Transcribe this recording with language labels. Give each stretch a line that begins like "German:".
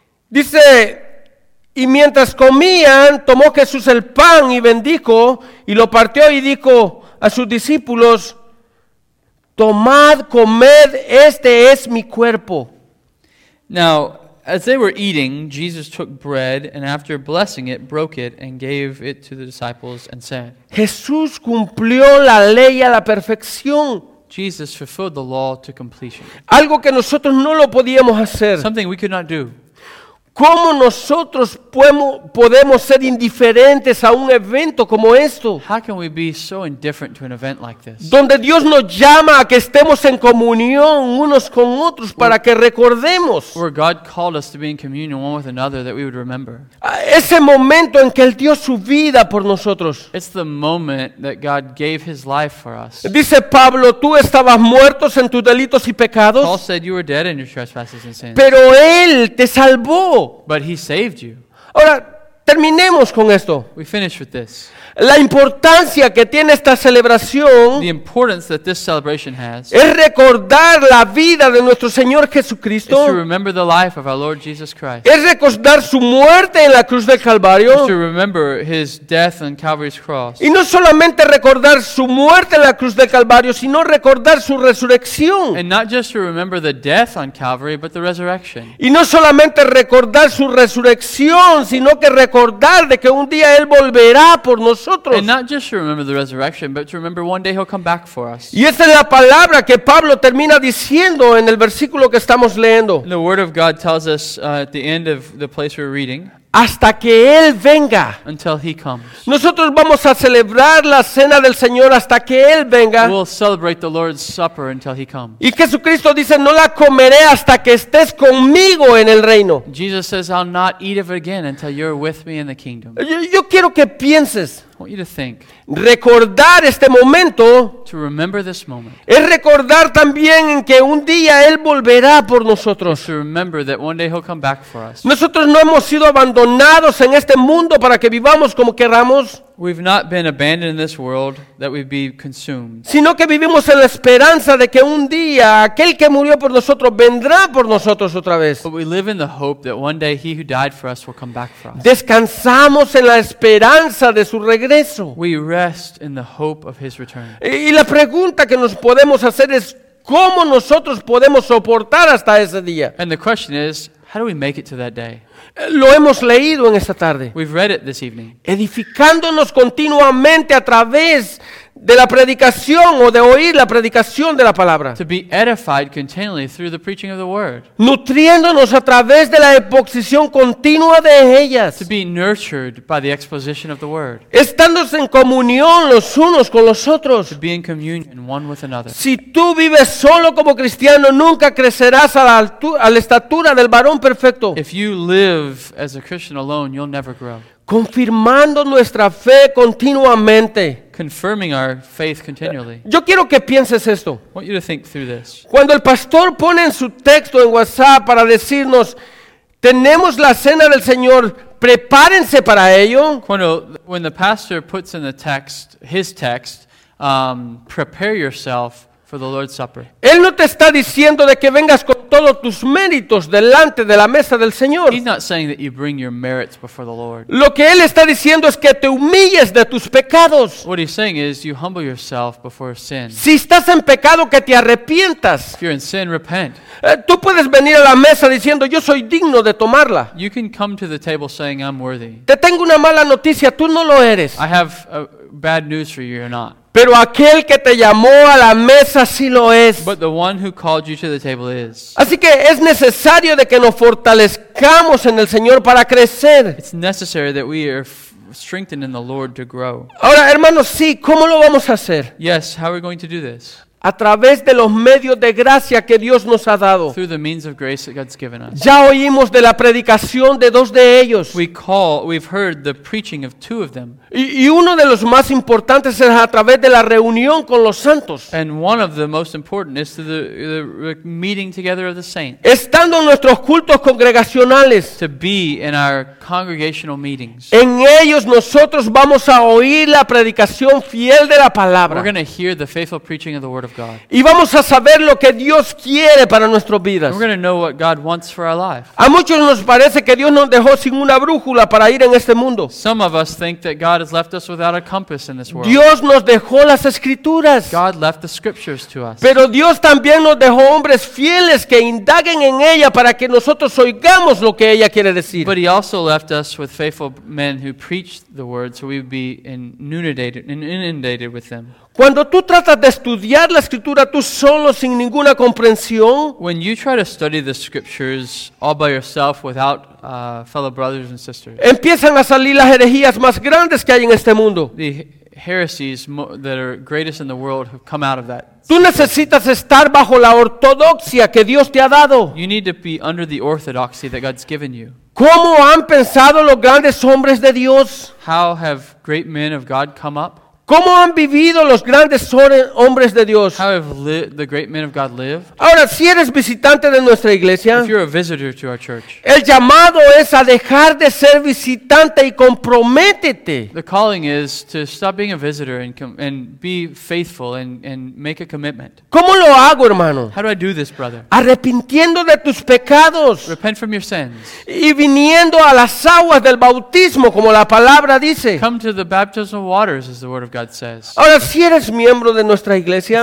Spanish: Dice, y mientras comían, tomó Jesús el pan y bendijo y lo partió y dijo a sus discípulos, tomad, comed, este es mi cuerpo.
English: Now, as they were eating, Jesus took bread and after blessing it, broke it and gave it to the disciples and said,
Spanish: Jesús cumplió la ley a la perfección.
English: Jesus fulfilled the law to completion.
Spanish: Algo que nosotros no lo podíamos hacer.
English: Something we could not do.
Spanish: ¿Cómo nosotros podemos ser indiferentes a un evento como esto?
English: How can we be so indifferent to an event like this?
Spanish: Donde Dios nos llama a que estemos en comunión unos con otros para que recordemos.
English: Where God called us to be in communion one with another that we would remember.
Spanish: Ese momento en que Él dio su vida por nosotros.
English: It's the moment that God gave His life for us.
Spanish: Dice Pablo, tú estabas muertos en tus delitos y pecados.
English: Paul said you were dead in your trespasses and sins.
Spanish: Pero Él te salvó.
English: But He saved you.
Spanish: Ahora, terminemos con esto.
English: We finish with this.
Spanish: La importancia que tiene esta celebración,
English: the importance that this celebration has,
Spanish: es recordar la vida de nuestro Señor Jesucristo.
English: Is to remember the life of our Lord Jesus Christ.
Spanish: Es recordar su muerte en la cruz del Calvario.
English: Is to remember His death on Calvary's cross.
Spanish: Y no solamente recordar su muerte en la cruz del Calvario, sino recordar su resurrección.
English: And not just to remember the death on Calvary, but the resurrection.
Spanish: Y no solamente recordar su resurrección, sino que recordar recordar de que un día Él volverá por nosotros.
English: And not just to remember the resurrection, but to remember one day He'll come back for us.
Spanish: Y esta es la palabra que Pablo termina diciendo en el versículo que estamos leyendo.
English: The word of God tells us at the end of the place we're reading.
Spanish: Hasta que Él venga.
English: Until He comes.
Spanish: Nosotros vamos a celebrar la cena del Señor hasta que Él venga.
English: We'll celebrate the Lord's Supper until He comes.
Spanish: Y Jesucristo dice, no la comeré hasta que estés conmigo en el reino.
English: Jesus says, I'll not eat of it again until you're with me in the kingdom.
Spanish: Yo quiero que pienses.
English: I want you to think.
Spanish: Recordar este momento.
English: To remember this moment.
Spanish: Es recordar también que un día Él volverá por nosotros.
English: To remember that one day He'll come back for us.
Spanish: Nosotros no hemos sido abandonados en este mundo para que vivamos como queramos.
English: We've not been abandoned in this world that we'd be consumed.
Spanish: Sino que vivimos en la esperanza de que un día aquel que murió por nosotros vendrá por nosotros otra vez.
English: But we live in the hope that one day He who died for us will come back for us.
Spanish: Descansamos en la esperanza de su regreso.
English: We rest in the hope of His return.
Spanish: Y la pregunta que nos podemos hacer es cómo nosotros podemos soportar hasta ese día.
English: And the question is, how do we make it to that day?
Spanish: Lo hemos leído en esta tarde.
English: We've read it this evening.
Spanish: Edificándonos continuamente a través de la predicación o de oír la predicación de la palabra.
English: To be edified continually through the preaching of the word.
Spanish: Nutriéndonos a través de la exposición continua de ellas.
English: To be nurtured by the exposition of the word.
Spanish: Estándose en comunión los unos con los otros.
English: To be in communion one with another.
Spanish: Si tú vives solo como cristiano, nunca crecerás a la estatura del varón perfecto.
English: If you live as a Christian alone, you'll never grow.
Spanish: Confirmando nuestra fe continuamente.
English: Confirming our faith continually.
Spanish: Yo quiero que pienses esto.
English: I want you to think through this.
Spanish: Cuando el pastor pone en su texto en WhatsApp para decirnos, tenemos la cena del Señor, prepárense para ello.
English: When the pastor puts in the text, his text, prepare yourself for the Lord's Supper.
Spanish: Él no te está diciendo de que vengas con todos tus méritos delante de la mesa del Señor.
English: He's not saying that you bring your merits before the Lord.
Spanish: Lo que Él está diciendo es que te humilles de tus pecados.
English: What he's saying is you humble yourself before sin.
Spanish: Si estás en pecado, que te arrepientas.
English: If you're in sin, repent.
Spanish: Tú puedes venir a la mesa diciendo, yo soy digno de tomarla.
English: You can come to the table saying, I'm worthy.
Spanish: Te tengo una mala noticia, tú no lo eres.
English: I have bad news for you, you're not.
Spanish: Pero aquel que te llamó a la mesa sí lo es.
English: But the one who called you to the table is.
Spanish: Así que es necesario de que nos fortalezcamos en el Señor para crecer.
English: It's necessary that we are strengthened in the Lord to grow.
Spanish: Ahora, hermanos, sí, ¿cómo lo vamos a hacer?
English: Yes, how are we going to do this?
Spanish: A través de los medios de gracia que Dios nos ha dado.
English: Through the means of grace that God's given us.
Spanish: Ya oímos de la predicación de dos de ellos.
English: We've heard the preaching of two of them.
Spanish: Y uno de los más importantes es a través de la reunión con los santos.
English: And one of the most important is through the meeting together of the saints.
Spanish: Estando en nuestros cultos congregacionales.
English: To be in our congregational meetings.
Spanish: En ellos nosotros vamos a oír la predicación fiel de la palabra.
English: We're going to hear the faithful preaching of the word.
Spanish: Y vamos a saber lo que Dios quiere para nuestras vidas.
English: We're going to know what God wants for our life.
Spanish: A muchos nos parece que Dios nos dejó sin una brújula para ir en este mundo.
English: Some of us think that God has left us without a compass in this world.
Spanish: Dios nos dejó las escrituras.
English: God left the scriptures to us.
Spanish: Pero Dios también nos dejó hombres fieles que indaguen en ella para que nosotros oigamos lo que ella quiere decir.
English: But He also left us with faithful men who preached the word so we would be inundated with them.
Spanish: Cuando tú tratas de estudiar la escritura tú solo sin ninguna comprensión,
English: when you try to study the scriptures all by yourself without fellow brothers and sisters,
Spanish: empiezan a salir las herejías más grandes que hay en este mundo.
English: The heresies that are greatest in the world have come out of that.
Spanish: Tú necesitas estar bajo la ortodoxia que Dios te ha dado.
English: You need to be under the orthodoxy that God's given you.
Spanish: ¿Cómo han pensado los grandes hombres de Dios?
English: How have great men of God come up?
Spanish: ¿Cómo han vivido los grandes hombres de Dios?
English: How have the great men of God lived?
Spanish: Ahora, si eres visitante de nuestra iglesia,
English: if you're a visitor to our church,
Spanish: el llamado es a dejar de ser visitante y comprométete.
English: The calling is to stop being a visitor and be faithful and make a commitment.
Spanish: ¿Cómo lo hago, hermano?
English: How do I do this, brother?
Spanish: Arrepintiendo de tus pecados.
English: Repent from your sins.
Spanish: Y viniendo a las aguas del bautismo, como la palabra dice.
English: Come to the baptismal waters, as the word of God says.
Spanish: Ahora, si eres miembro de nuestra iglesia,